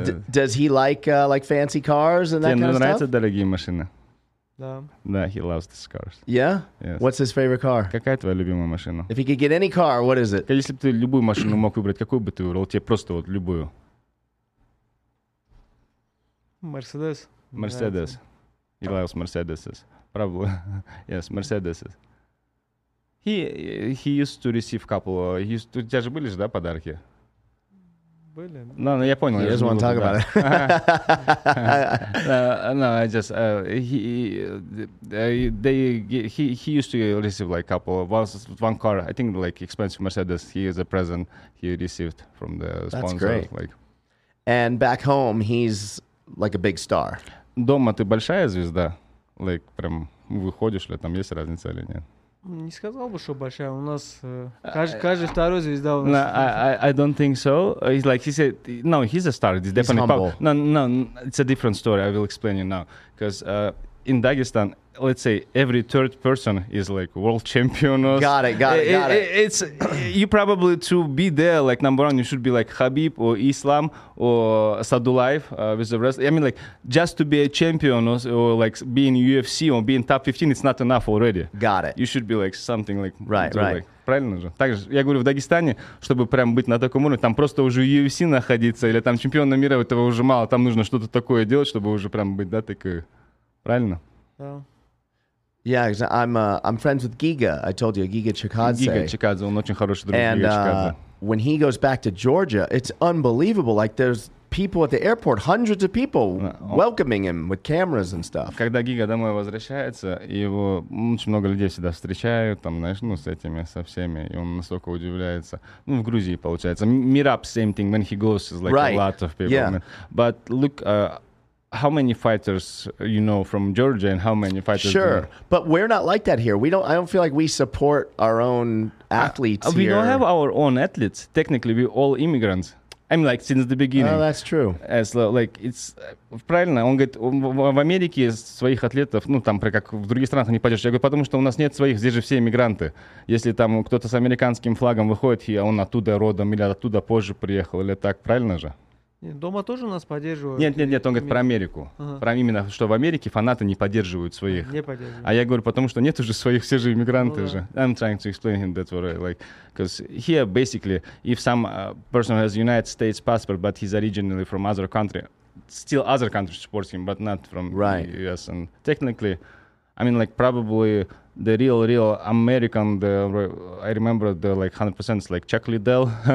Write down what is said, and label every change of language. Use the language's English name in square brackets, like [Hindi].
[English] Does he like fancy cars and that kind of stuff? [Russian] Тебе нравятся дорогие машины? Да. [English] Да, he loves these cars. Yeah? Yes. What's his favorite car? [Russian] Какая твоя любимая машина? [English] If he could get any car, what is it? [Russian] Если бы ты любую машину мог выбрать, какую бы ты выбрал? Тебе просто вот любую. [English] Mercedes. Mercedes. He loves Mercedeses. Probably. Yes, Mercedeses. He used to receive couple. [Russian] У тебя же были же, да, подарки? Были. [English] No, no, [Russian] я понял. [English] He doesn't want to talk about it. He used to receive like couple one car. I think like expensive Mercedes. He is a present he received from the sponsor. That's great. Like, and back home, he's like a big star. [Russian] Дома ты большая звезда. Like, прям выходишь ли там есть разница или нет? Не сказал бы, что большая. У нас каждый второй звезда у нас. [English] No, I don't think so. He's like, he said, no, he's a star. He's definitely humble. No, it's a different story. I will explain you now. Because in Dagestan, let's say every third person is like world champion. Got it. It's you probably to be there like number one. You should be like Khabib or Islam or Sadulayev with the rest. I mean, like just to be a champion or like be in UFC or be in top 15, it's not enough already. Got it. You should be like something like right. Like, [Russian] правильно же. Также я говорю в Дагестане, чтобы прям быть на таком уровне, там просто уже UFC находиться или там чемпиона мира этого уже мало. Там нужно что-то такое делать, чтобы уже прям быть да такой. Правильно? [English] Yeah, I'm friends with Giga. I told you, Giga Chikadze. [Russian] Giga Chikadze, он очень хороший друг. [English] And when he goes back to Georgia, it's unbelievable. Like there's people at the airport, hundreds of people welcoming him with cameras and stuff. [Russian] Когда Giga домой возвращается, его очень много людей всегда встречают, там, знаешь, ну с этими со всеми, и он настолько удивляется. Ну в Грузии получается. [English] Mirab, same thing. When he goes, it's like right. A lot of people. Yeah. But look. How many fighters you know from Georgia and how many fighters... Sure, but we're not like that here. I don't feel like we support our own athletes here. We don't have our own athletes. Technically, we're all immigrants. I mean, like, since the beginning. Oh, that's true. As like, it's... [Russian] Правильно, он говорит, в Америке своих атлетов, ну, там, как в других странах, не пойдешь. Я говорю, потому что у нас нет своих, здесь же все иммигранты. Если там кто-то с американским флагом выходит, и он оттуда родом, или оттуда позже приехал, или так, правильно же? Дома тоже нас поддерживают. Нет, он говорит про Америку. Ага. Про именно, что в Америке фанаты не поддерживают своих. Не поддерживают. А я говорю, потому что нет уже своих, все же иммигранты же. [English] I'm trying to explain him that's what I like. Because here, basically, if some person has United States passport, but he's originally from other country, still other countries support him, but not from right. the US. And technically, I mean, like, probably the real American, the I remember the, like, 100% is, like, Chuck Liddell,